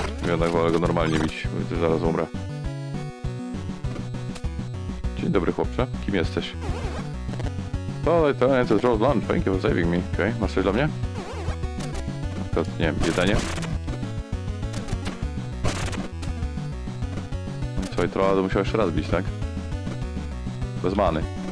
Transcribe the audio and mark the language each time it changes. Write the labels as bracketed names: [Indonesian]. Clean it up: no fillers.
[Polish] Jednak wolę go normalnie bić, bo zaraz umrę. Dzień dobry chłopcze, kim jesteś? To jest [English] Rose Lunch, thank you for saving me. [Polish] Okej, okay. Masz coś dla mnie? Na przykład, nie wiem, jedzenie? Co, i trolla to musiał jeszcze raz bić, tak? Bez many.